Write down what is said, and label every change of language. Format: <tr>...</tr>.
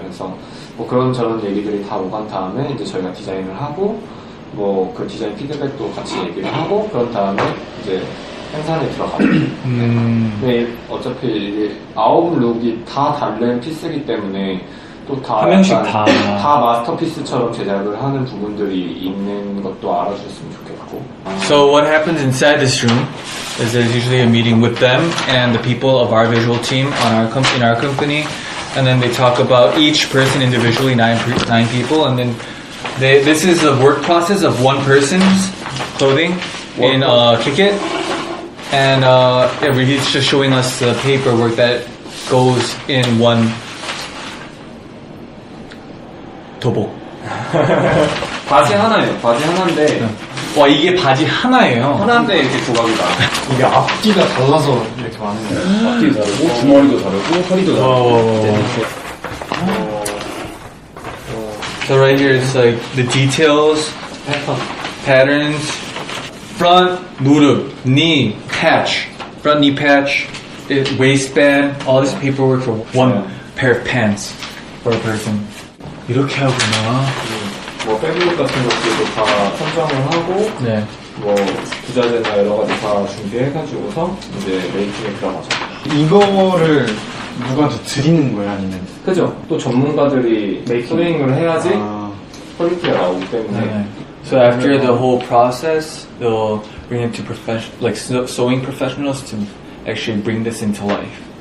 <ko>그래서 뭐 그런 저런 얘기들이 다 오간 다음에 이제 저희가 디자인을 하고 뭐 그 디자인 피드백도 같이 얘기를 하고 그런 다음에 이제 생산에 들어가고 네. 어차피 이게 아홉 룩이 다 다른 피스이기 때문에 또 다 한 명씩 다 마스터피스처럼 제작을 하는 부분들이 있는 것도 알아주셨으면 좋겠고.</ko> <en>So what happens inside this room is there's usually a meeting with them and the people of our visual team on our in our company, and then they talk about each person individually, nine people, and then this is the work process of one person's clothing in a Kikit. And yeah, he's just showing us the paperwork that goes in one tobo.</en> <ko>바지 하나예요. 바지 하나인데. 와 이게 바지 하나예요. 하나인데 이렇게 조각이다. 이게 앞뒤가 달라서 이렇게 많은 거. 앞뒤도 다르고 주머니도 다르고 허리도 다르고.</ko> <en>So right here it's like the details, patterns. Front, 무릎, knee, patch, front knee patch, waistband, all this paperwork for one pair of pants for a person.</en> <ko>이렇게 하구나. 뭐 패브릭 같은 것들도 다 선정을 하고, 네. 뭐 부자재나 여러 가지 다 준비해가지고서 이제 메이킹에 들어가죠. 이거를 누구한테 드리는 거야 아니면? 그죠. 또 전문가들이 메이킹을 해야지 퀄리티가 나오기 때문에. 네.</ko> <en>So after the whole process, they'll bring it to sewing professionals to actually bring this into life.</en>